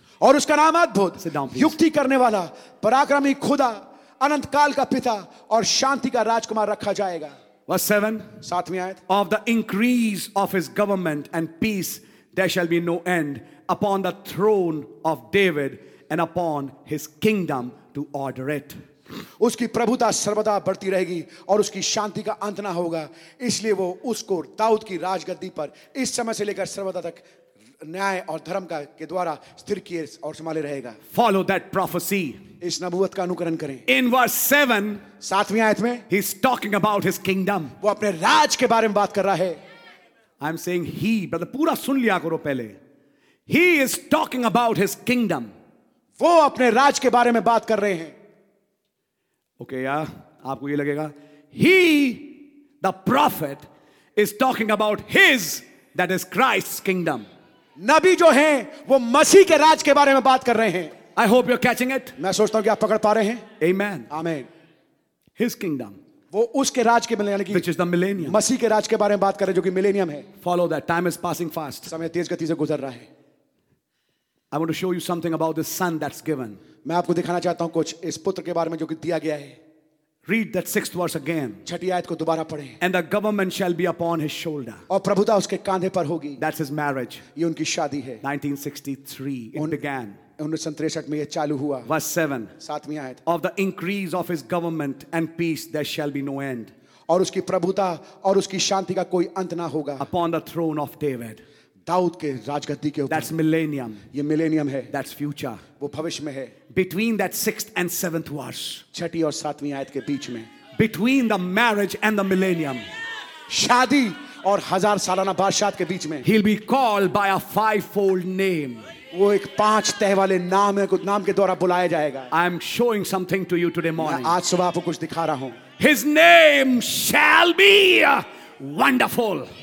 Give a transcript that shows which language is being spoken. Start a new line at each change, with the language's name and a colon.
Hindi: और उसका नाम अद्भुत.
English: Sit down, please.
Hindi: युक्ति करने वाला, पराक्रमी खुदा, अनंत काल का पिता और शांति का राजकुमार रखा जाएगा.
English: Verse 7.
Hindi: सातवीं आयत.
English: Of the increase of his government and peace, there shall be no end. Upon the throne of David and upon his kingdom to order it.
Hindi: उसकी प्रभुता सर्वदा बढ़ती रहेगी और उसकी शांति का अंत ना होगा, इसलिए वो उसको दाऊद की राजगद्दी पर इस समय से लेकर सर्वदा तक न्याय और धर्म का के द्वारा स्थिर किए और संभाले रहेगा.
English: Follow that prophecy.
Hindi: इस नबुवत का अनुकरण करें.
English: In verse 7,
Hindi: सातवीं आयत में,
English: he's talking about his kingdom.
Hindi: वो अपने राज के बारे में बात कर रहा है.
English: I'm saying he, brother,
Hindi: पूरा सुन लिया करो पहले.
English: He is talking about his kingdom.
Hindi: वो अपने राज के बारे में बात कर रहे हैं.
English: Okay, yeah.
Hindi: आपको ये लगेगा.
English: He, the prophet, is talking about his, that is Christ's kingdom.
Hindi: नबी जो हैं, वो मसीह के राज के बारे में बात कर रहे हैं.
English: I hope you're catching it.
Hindi: मैं सोचता हूँ कि आप पकड़ पा रहे हैं.
English: Amen. Amen. His kingdom.
Hindi: वो उसके राज के मिलने की,
English: which is the millennium.
Hindi: मसीह के राज के बारे में बात कर रहे हैं जो कि मिलेनियम है.
English: Follow that. Time is passing fast.
Hindi: समय तेज गति से गुजर रहा है.
English: I want to show you something about the son that's given.
Hindi: मैं आपको दिखाना चाहता हूं कुछ इस पुत्र के बारे में जो कि दिया गया है.
English: Read that sixth verse again.
Hindi: छठी आयत को दोबारा पढ़ें.
English: And the government shall be upon his shoulder.
Hindi: और प्रभुता उसके कांधे पर होगी.
English: That's his marriage.
Hindi: ये उनकी शादी है.
English: 1963 it began.
Hindi: 1963 में ये चालू हुआ.
English: Verse 7.
Hindi: सातवीं आयत.
English: Of the increase of his government and peace there shall be no end.
Hindi: और उसकी प्रभुता और उसकी शांति का कोई अंत ना होगा.
English: Upon the throne of David.
Hindi: Dawood के राजगद्दी के ऊपर.
English: That's millennium.
Hindi: ये millennium है.
English: That's future.
Hindi: वो भविष्य में है.
English: Between that sixth and seventh verse.
Hindi: छठी और सातवीं आयत के बीच में.
English: Between the marriage and the millennium.
Hindi: शादी और हजार सालाना बादशाहत के बीच में.
English: He'll be called by a fivefold name.
Hindi: वो एक पांच तह वाले नाम है, नाम के द्वारा बुलाया जाएगा.
English: I am showing something to you today morning.
Hindi: आज सुबह आपको कुछ दिखा रहा हूं.
English: His name shall be wonderful.